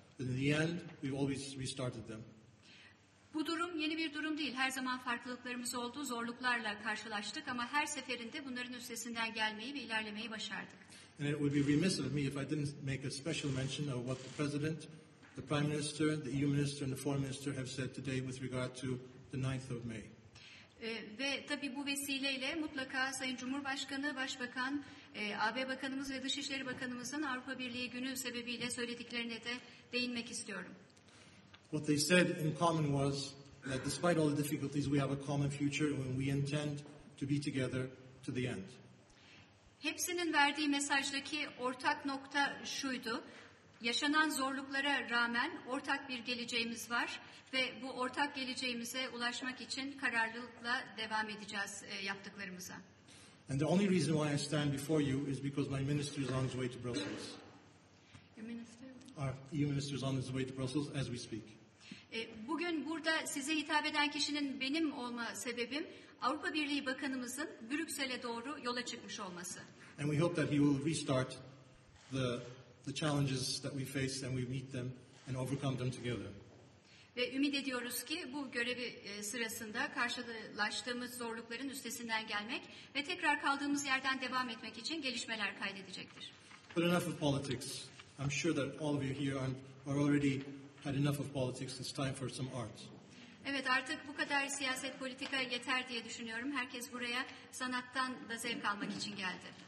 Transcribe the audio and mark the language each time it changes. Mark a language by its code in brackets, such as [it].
[en] In the end, we've always restarted them. [tr] Bu durum yeni bir durum değil. Her zaman farklılıklarımız oldu, zorluklarla karşılaştık ama her seferinde bunların üstesinden gelmeyi ve ilerlemeyi başardık. [en] And it would be remiss of me if I didn't make a special mention of what the President, the Prime Minister, the EU Minister and the Foreign Minister have said today with regard to the 9th of May. [tr] Ve tabii bu vesileyle mutlaka Sayın Cumhurbaşkanı, Başbakan, AB Bakanımız ve Dışişleri Bakanımızın Avrupa Birliği Günü sebebiyle söylediklerine de değinmek istiyorum. [en] What they said in common was that despite all the difficulties we have a common future and we intend to be together to the end. [tr] Hepsinin verdiği mesajdaki ortak nokta şuydu. Yaşanan zorluklara rağmen ortak bir geleceğimiz var ve bu ortak geleceğimize ulaşmak için kararlılıkla devam edeceğiz yaptıklarımıza. [en] And the only reason why I stand before you is because my minister is on his way to Brussels. Your minister? Our EU minister is on his way to Brussels as we speak. [tr] Bugün burada size hitap eden kişinin benim olma sebebim Avrupa Birliği Bakanımızın Brüksel'e doğru yola çıkmış olması. [en] And we hope that he will restart the challenges that we face and we meet them and overcome them together. [tr] Ve ümit ediyoruz ki bu görevi sırasında karşılaştığımız zorlukların üstesinden gelmek ve tekrar kaldığımız yerden devam etmek için gelişmeler kaydedecektir. [en] But enough of politics. I'm sure that all of you here are already had enough of politics. It's time for some art. [tr] Evet, artık bu kadar siyaset politika yeter diye düşünüyorum. Herkes buraya sanattan da zevk almak için geldi.